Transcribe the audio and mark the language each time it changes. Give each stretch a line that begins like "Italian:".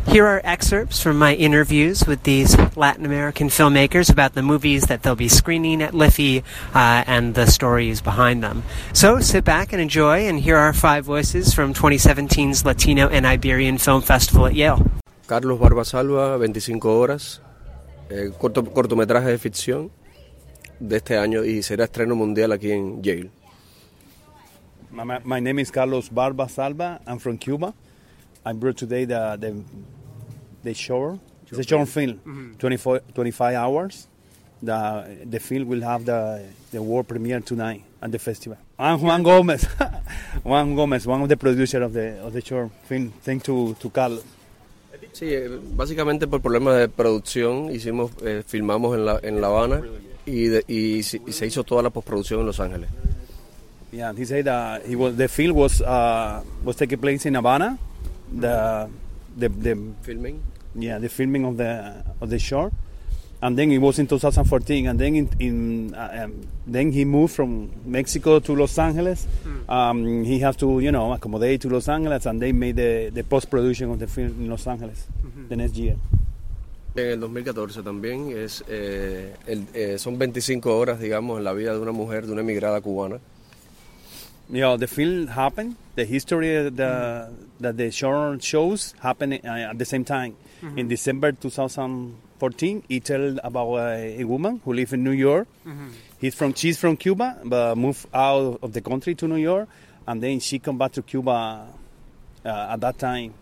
English: Here are excerpts from my interviews with these Latin American filmmakers about the movies that they'll be screening at LIFI and the stories behind them. So sit back and enjoy, and here are five voices from 2017's Latino and Iberian Film Festival at Yale.
Spanish: Carlos Barba Salva, 25 horas, cortometraje de ficción de este año y será estreno mundial aquí en Yale.
English: My name is Carlos Barba Salva. I'm from Cuba. I brought today the short. It's a short film, 25 hours. The film will have the world premiere tonight at the festival. I'm Juan Gomez. Juan Gomez, one of the producers of the short film. Thank you to Carlos.
Spanish: Sí, básicamente por problemas de producción hicimos filmamos en La Habana y se hizo toda la postproducción en Los Ángeles.
English: Yeah, he said that the film was taking place in Havana. The filming. Yeah, the filming of the shore, and then it was in 2014, and then then he moved from Mexico to Los Angeles. He has to accommodate to Los Angeles, and they made the post production of the film in Los Angeles the next year.
Spanish: En el 2014 también es son 25 horas, digamos, en la vida de una mujer, de una emigrada cubana.
English: Yeah, you know, the film happened. The history that the short shows happened at the same time. Mm-hmm. In December 2014, it tells about a woman who lives in New York. Mm-hmm. She's from Cuba, but moved out of the country to New York, and then she come back to Cuba at that time.